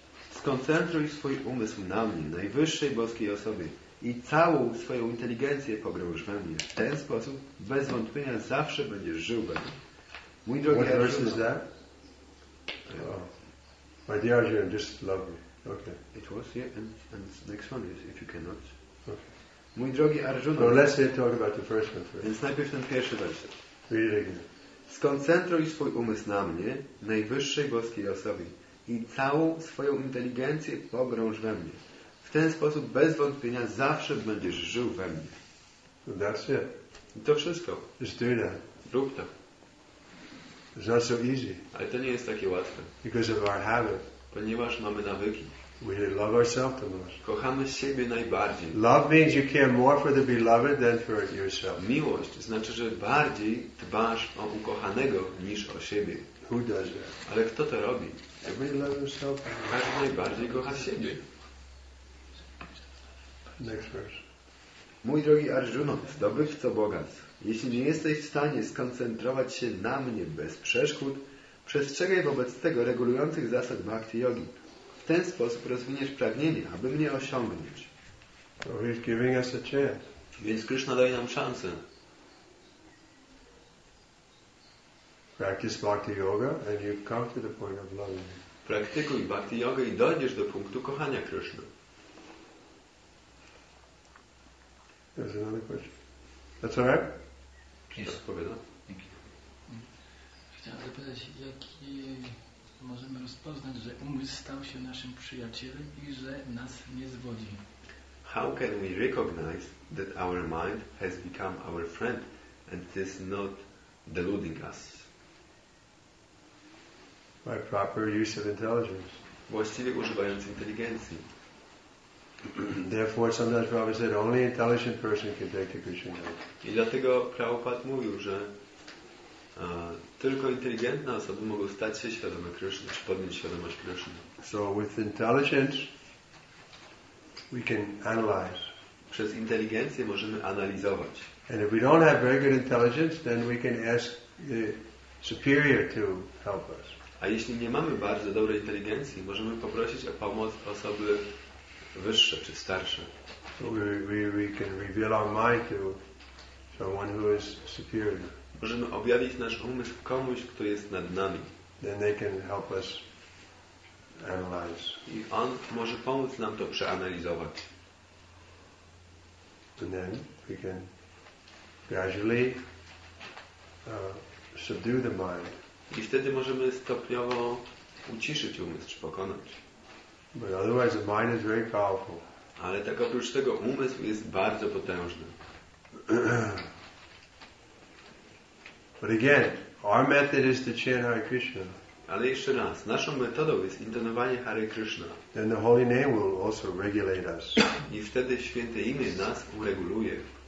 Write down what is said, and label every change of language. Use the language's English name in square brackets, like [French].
[Polish] Skoncentruj swój umysł na mnie, najwyższej boskiej osobie i całą swoją inteligencję pogrąż we mnie. W ten sposób bez wątpienia zawsze będziesz żył we mnie. Mój drogi Arjuna. [English] My dear Arjuna, just love me. Okay. It was here and next one is if you cannot. [Polish] Okay. Mój drogi Arjuna. [English] So let's talk about the first one first. [Polish] Więc najpierw ten pierwszy werset. Skoncentruj swój umysł na mnie, najwyższej boskiej osobie. I całą swoją inteligencję pogrąż we mnie. W ten sposób bez wątpienia zawsze będziesz żył we mnie. [English] So that's it. [Polish] I to wszystko. [English] Just do that. [Polish] Rób to. [English] It's not so easy. [Polish] Ale to nie jest takie łatwe. [English] Because of our habit. [Polish] Ponieważ mamy nawyki. [English] We love ourselves the most. [Polish] Kochamy siebie najbardziej. [English] Love means you care more for the beloved than for yourself. [Polish] Miłość znaczy, że bardziej dbasz o ukochanego niż o siebie. [English] Who does that? [Polish] Ale kto to robi? [English] Everybody loves yourself. [Polish] Każdy najbardziej kocha siebie. [English] Next verse. [Polish] Mój drogi Arjuna, zdobywco bogactw, jeśli nie jesteś w stanie skoncentrować się na mnie bez przeszkód, przestrzegaj wobec tego regulujących zasad bhakti yogi. W ten sposób rozwiniesz pragnienie, aby mnie osiągnąć. [English] So he's giving us a chance. [Polish] Więc Krishna daje nam szansę. [English] Practice bhakti yoga and you come to the point of loving. [Polish] Praktykuj bhakti yoga i dojdziesz do punktu kochania Krishna. [English] There's another question. That's all right? [Polish] Jest odpowiedź. Dzięki. Chciałem zapytać, jaki możemy rozpoznać, że umysł stał się naszym przyjacielem i że nas nie zwodzi. [English] How can we recognize that our mind has become our friend and is not deluding us? By proper use of intelligence. [Polish] Właściwie używając inteligencji. [English] Therefore, sometimes Prabhupada said, only intelligent person can take the Krishna yoga. [Polish] I dlatego Prabhupada mówił, że tylko inteligentne osoby mogą stać się świadome Krishna, czy podnieść świadomość Krishna. [English] So with intelligence, we can analyze. [Polish] Przez inteligencję możemy analizować. [English] And if we don't have very good intelligence, then we can ask the superior to help us. [Polish] A jeśli nie mamy bardzo dobrej inteligencji, możemy poprosić o pomoc osoby wyższe czy starsze. [English] We can reveal our mind to someone who is superior. [Polish] Możemy objawić nasz umysł komuś, kto jest nad nami. [English] Then they can help us analyze. [Polish] I on może pomóc nam to przeanalizować. [English] And then we can gradually subdue the mind. [Polish] I wtedy możemy stopniowo uciszyć umysł, czy pokonać. [English] But otherwise the mind is very powerful. [Polish] Ale tak oprócz tego umysł jest bardzo potężny. [English] But again, our method is to chant Hare Krishna. [Polish] Ale jeszcze raz, naszą metodą jest intonowanie Hare Krishna. [English] Then the holy name will also regulate us. [Polish] I wtedy święte imię nas ureguluje.